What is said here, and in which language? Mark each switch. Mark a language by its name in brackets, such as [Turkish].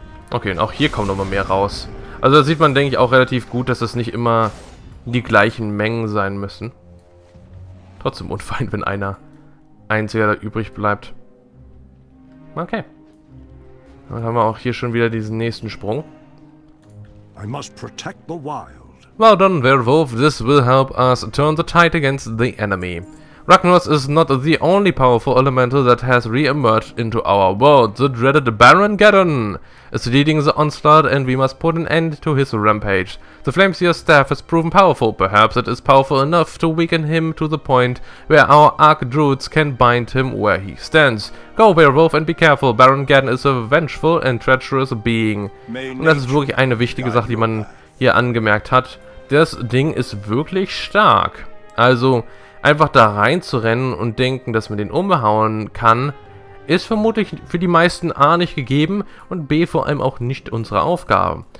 [German] Okay, und auch hier kommen nochmal mehr raus. Also da sieht man, denke ich, auch relativ gut, dass es nicht immer die gleichen Mengen sein müssen. Trotzdem unfein, wenn einer einziger da übrig bleibt. Okay. Dann haben wir auch hier schon wieder diesen nächsten Sprung. [English] I must protect the wild. Well done, Werewolf. This will help us turn the tide against the enemy. Ragnaros is not the only powerful elemental that has re-emerged into our world. The dreaded Baron Geddon is leading the onslaught and we must put an end to his rampage. The Flameseer's staff has proven powerful. Perhaps it is powerful enough to weaken him to the point where our Arch-Druids can bind him where he stands. Go, Werewolf, and be careful. Baron Geddon is a vengeful and treacherous being. [German] Und das ist wirklich eine wichtige Sache, die man hier angemerkt hat. Das Ding ist wirklich stark. Also... Einfach da reinzurennen und denken, dass man den umhauen kann, ist vermutlich für die meisten A nicht gegeben und B vor allem auch nicht unsere Aufgabe.